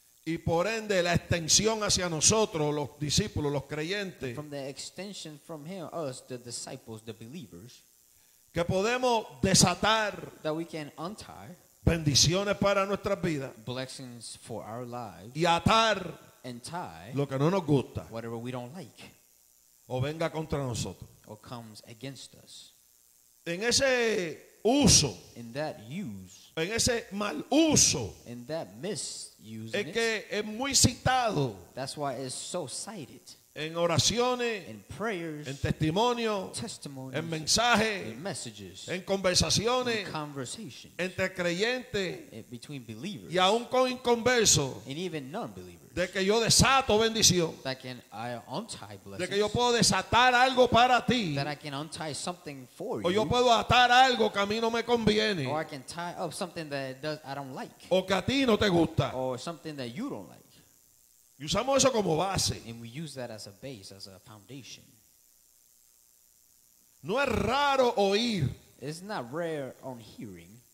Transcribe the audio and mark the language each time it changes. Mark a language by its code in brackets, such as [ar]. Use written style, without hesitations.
[es] Y por ende la extensión hacia nosotros, los discípulos, los creyentes. [en] From the extension from him, us, the disciples, the believers. [es] Que podemos desatar. [en] That we can untie. [es] Bendiciones para nuestras vidas. [en] Blessings for our lives. [es] Y atar. [en] And tie. [es] Lo que no nos gusta. [en] Whatever we don't like. [es] O venga contra nosotros. [en] Or comes against us. [es] En ese uso. [en] In that use. [es] En ese mal uso. [en] In that misuse. [es] Es que es muy citado. [en] That's why it's so cited. [es] En oraciones, [en] in prayers, [es] en testimonio, [en] testimonies, [es] en mensajes, [en] in messages, [es] en conversaciones, [en] in conversations, [es] entre creyentes, [en] between believers, [es] y aún con inconversos, [en] and even non-believers, [es] de que yo desato bendición, [en] that can I untie blessings, [es] de que yo puedo desatar algo para ti, [en] that I can untie something for [es] o [en] you, [es] yo puedo atar algo que a mí no me conviene, [en] or I can tie up something that does, I don't like, [es] o que a ti no te gusta, [en] or something that you don't like. [es] Y usamos eso como base. [en] And we use that as a base, as a foundation. [es] No es raro oír. [en] It's not rare on hearing.